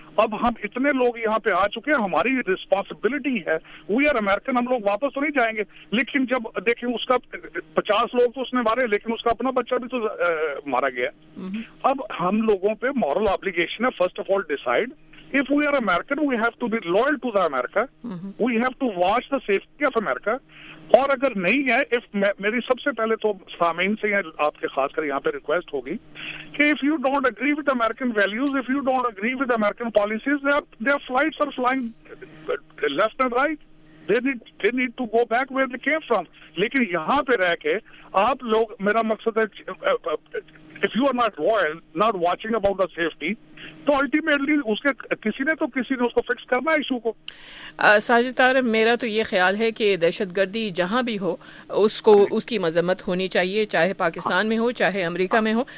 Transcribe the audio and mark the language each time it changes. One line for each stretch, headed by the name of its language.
Urdu: اب ہم اتنے لوگ یہاں پہ آ چکے ہیں, ہماری ریسپانسبلٹی ہے,
English: we are American,
Urdu: ہم لوگ واپس تو نہیں جائیں گے. لیکن جب دیکھیں اس کا 50 لوگ تو اس نے مارے لیکن اس کا اپنا بچہ بھی تو مارا گیا. اب ہم لوگوں پہ مورل ابلیگیشن ہے
English: First of all decide if we are American, we have to be loyal to the America. We have to watch the safety of America.
Urdu: اور اگر نہیں ہے,
English: if
Urdu: میری سب سے پہلے تو سامعین سے آپ کے خاص کر یہاں پہ ریکویسٹ ہوگی کہ
English: if you don't agree with American values, if you don't agree with American policies, their flights are flying left and right. They need to go back where they came from.
Urdu: لیکن یہاں پہ رہ کے آپ لوگ, میرا مقصد ہے
English: if you are not loyal, not watching about the safety,
Urdu: تو الٹیمیٹلی اس کے کسی نے تو کسی نے اس کو فکس کرنا ہے ایشو کو. ساجد طارق میرا تو یہ خیال ہے کہ دہشت گردی جہاں بھی ہو اس کو اس کی مذمت ہونی چاہیے, چاہے پاکستان میں ہو چاہے امریکہ میں ہو.